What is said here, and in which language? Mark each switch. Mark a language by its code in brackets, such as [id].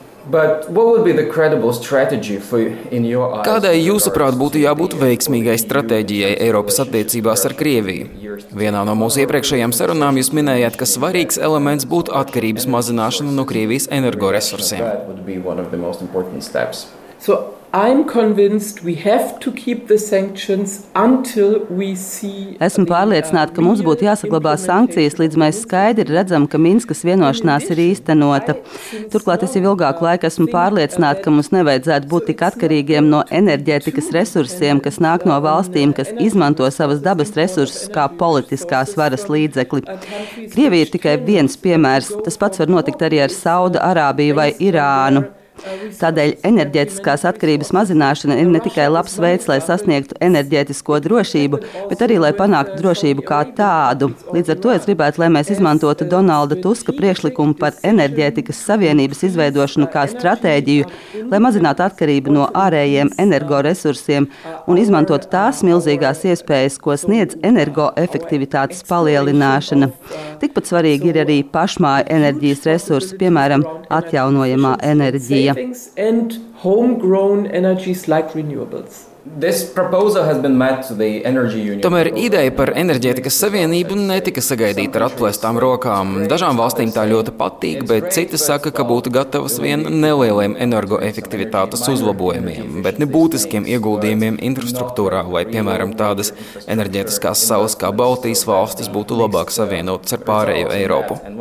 [en] But what would be the credible strategy for in your eyes? [lv] Kādai jūsuprāt būtu jābūt veiksmīgai stratēģijai Eiropas attiecībās ar Krieviju? Vienā no mūsu iepriekšējām sarunām jūs minējāt, ka svarīgs elements būtu atkarības mazināšana no Krievijas energoresursiem. [en] That would be one of the most important steps. So I'm convinced we have to keep the sanctions until we see. [lv] Esmu pārliecināta, ka mums būtu jāsaglabā sankcijas, līdz mēs skaidri redzam, ka Minskas vienošanās ir īstenota. Turklāt es jau ilgāku laiku esmu pārliecināta, ka mums nevajadzētu būt tik atkarīgiem no enerģētikas resursiem, kas nāk no valstīm, kas izmanto savas dabas resursus kā politiskās varas līdzekli. Krievija ir tikai viens piemērs. Tas pats var notikt arī ar Saudu Arābiju vai Irānu. Tādēļ enerģētiskās atkarības mazināšana ir ne tikai labs veids, lai sasniegtu enerģētisko drošību, bet arī, lai panāktu drošību kā tādu. Līdz ar to es gribētu, lai mēs izmantotu Donalda Tuska priekšlikumu par enerģētikas savienības izveidošanu kā stratēģiju, lai mazinātu atkarību no ārējiem energoresursiem un izmantotu tās milzīgās iespējas, ko sniedz energoefektivitātes palielināšana. Tikpat svarīgi ir arī pašmāju enerģijas resursi, piemēram, atjaunojamā enerģija. [en] Savings and homegrown energies like renewables. This proposal has been met to the energy union. [lv] Tomēr ideja par enerģētikas savienību netika sagaidīta ar atplēstām rokām. Dažām valstīm tā ļoti patīk, bet citi saka, ka būtu gatavas vien nelieliem energoefektivitātes uzlabojumiem, bet ne būtiskiem ieguldījumiem infrastruktūrā, lai, piemēram, tādas enerģētiskās salas kā Baltijas valstis būtu labāk savienotas ar pārējo Eiropu.